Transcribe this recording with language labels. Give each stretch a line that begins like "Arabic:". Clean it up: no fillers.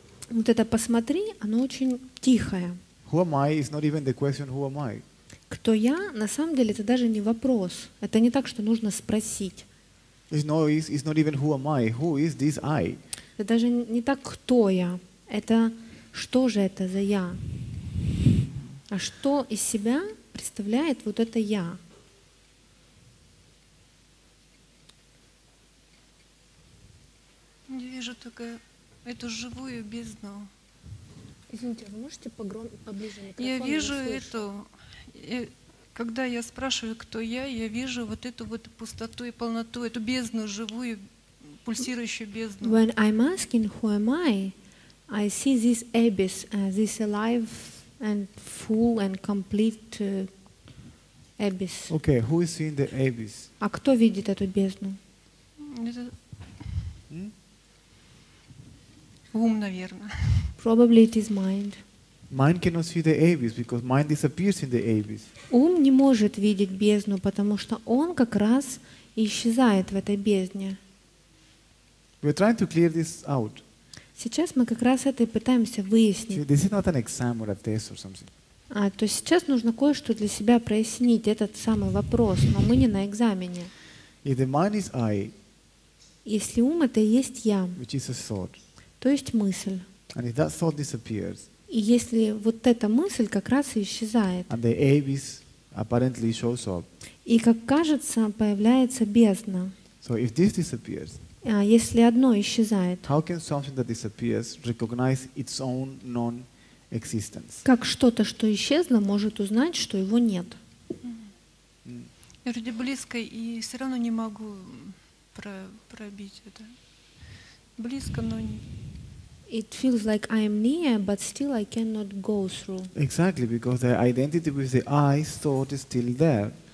Russian: Вот это «посмотри», оно очень тихое.
English: Who am I is not even the question, who am I.
Russian: Кто я, на самом деле, это даже не вопрос. Это не так, что нужно спросить.
English: It's not even who am I, who is this I.
Russian: Это даже не так, кто я. Это что же это за я? А что из себя представляет вот это я? Я вижу только эту живую бездну. Извините, вы можете поближе микрофон? Я вижу эту... Когда я спрашиваю, кто я вижу вот эту вот пустоту и полноту, эту бездну живую, пульсирующую бездну.
English: When I'm asking who am I see this abyss, this alive and full and complete abyss. Okay, who is seeing the abyss?
Russian: А кто видит эту бездну? Ум, наверное.
English: Probably it is mind. Mind cannot see the abyss because mind disappears in the abyss.
Russian: Ум не может видеть бездну, потому что он как раз исчезает в этой бездне.
English: We're trying to clear this out.
Russian: Сейчас мы как раз это и пытаемся выяснить.
English: See, this is not an exam or a test or something.
Russian: А то сейчас нужно кое-что для себя прояснить, этот самый вопрос, но мы не на экзамене.
English: If the mind is I,
Russian: если ум это и есть я,
English: which is a thought,
Russian: то есть мысль.
English: And if that thought disappears,
Russian: и если вот эта мысль как раз и исчезает.
English: And the abyss apparently shows up.
Russian: И, как кажется, появляется бездна.
English: So if this disappears,
Russian: а если одно исчезает,
English: how can something that disappears recognize its own non-existence?
Russian: Как что-то, что исчезло, может узнать, что его нет? Я вроде близко, и все равно не могу пробить это. Близко, но...
English: It feels like I'm near, but still I cannot go through. Exactly, because the identity with the I thought is still there.